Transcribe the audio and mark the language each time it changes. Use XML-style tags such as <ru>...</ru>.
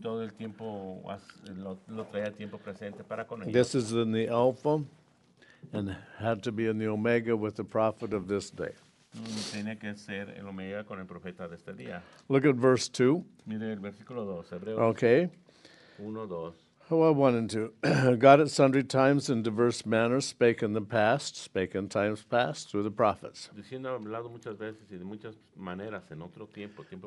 <es>Todo el tiempo, lo traía tiempo presente para con ellos.</es> <en>This is in the Alpha and had to be in the Omega with the prophet of this day.</en> <es>Tiene que ser el omega con el profeta de este día.</es> <en>Look at verse 2.</en> <es>Mire el versículo 2, Hebreos.</es> <en>Okay. 1, 2. Well, 1 and 2. God at sundry times in diverse manners spake in the past, spake in times past through the prophets.</en> <es>Diciendo, hablado muchas veces y de muchas maneras en otro tiempo, tiempo</es>